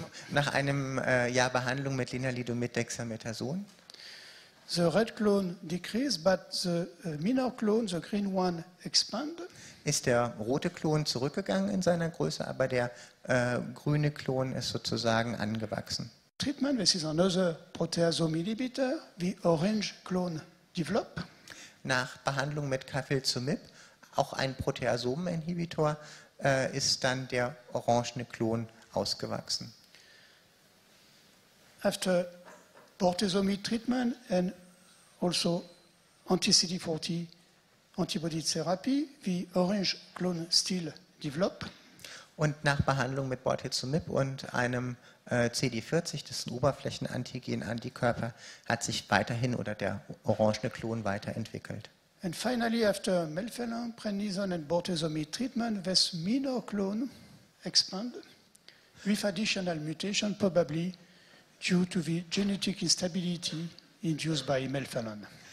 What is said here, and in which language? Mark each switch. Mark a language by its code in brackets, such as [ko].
[de] Nach einem Jahr Behandlung mit Lenalidomid Dexamethason. [en] The red clone decreased, but the minor clone, the green one, expanded. [de] Ist der rote Klon zurückgegangen in seiner Größe, aber der grüne Klon ist sozusagen angewachsen. [en] Treatment, this is another proteasome inhibitor, the orange clone developed. [de] Nach Behandlung mit Cafilzomib, auch ein Proteasomeninhibitor, ist dann der orangene Klon ausgewachsen. [en] After bortezomib treatment and also anti-CD40 antibody therapy, the orange clone still developed. [de] Und nach Behandlung mit Bortezomib und einem CD40, das ist ein Oberflächenantigen-Antikörper, hat sich weiterhin oder der orangene Klon weiterentwickelt. [en] And finally, after melphalan, prednisone and bortezomib treatment, this minor clone expanded with additional mutation, probably due to the genetic instability induced by melphalan.